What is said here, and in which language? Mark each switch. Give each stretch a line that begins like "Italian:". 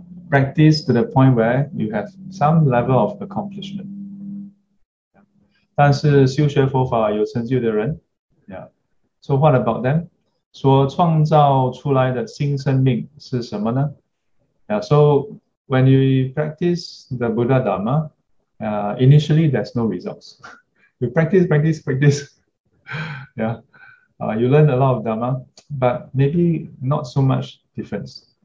English: Practice to the point where you have some level of accomplishment.
Chinese: 但是修学佛法有成就的人。
English: Yeah. So what about them?
Chinese: 所创造出来的新生命是什么呢?
English: Yeah, so when you practice the Buddha Dharma, initially there's no results. You practice, practice, practice. Yeah. You learn a lot of Dharma, but maybe not so much difference.